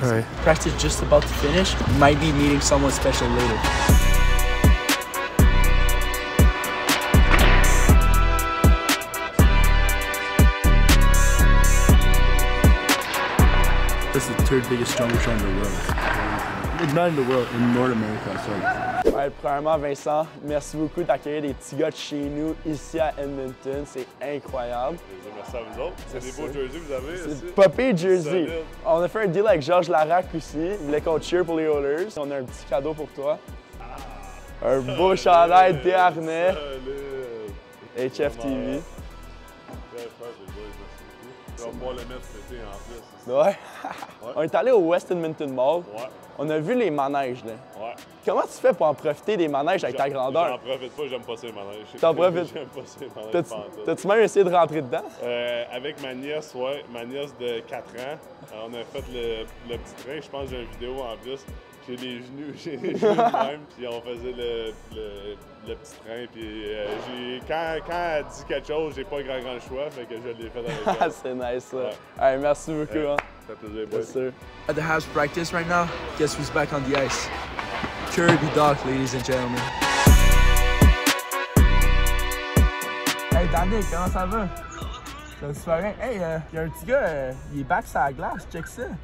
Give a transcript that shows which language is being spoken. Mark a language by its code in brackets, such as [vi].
[en] Right. Practice just about to finish. Might be meeting someone special later. This is the third biggest, strongest show in the world. Not in the world, in North America, sorry. [fr] Ouais, premièrement, Vincent, merci beaucoup d'accueillir des petits gars de chez nous ici à Edmonton. C'est incroyable. Merci à vous autres. C'est des beaux jerseys vous avez. C'est Poppy Jersey. Salut. On a fait un deal avec Georges Larac aussi. Il voulait qu'on cheer pour les Oilers. On a un petit cadeau pour toi. Ah, un beau chandail Desharnais. Salut. HFTV. Très fort, les boys. Merci beaucoup. Tu vas pouvoir les mettre fêter en plus. Ouais. On est allé au West Edmonton Mall. Ouais. On a vu les manèges, là. Ouais. Comment tu fais pour en profiter des manèges avec ta grandeur? J'en profite pas, j'aime pas ces manèges. T'en profites? J'aime pas ces manèges. T'as-tu même essayé de rentrer dedans? Avec ma nièce, ouais. Ma nièce de 4 ans, on a fait le petit train. Je pense que j'ai une vidéo en plus. J'ai les genoux même. Puis on faisait le petit train. Puis quand elle dit quelque chose, j'ai pas grand choix. Fait que je l'ai fait avec elle. C'est nice, ça. Ouais. Hey, merci beaucoup. Hey. Hein. [en] Yes, sir. At the Habs practice right now, guess who's back on the ice? Kirby Doc, ladies and gentlemen. [fr] Danick, comment ça va? Ça va super bien. Hey, y'a un petit gars, il est back sur la glace, check ça.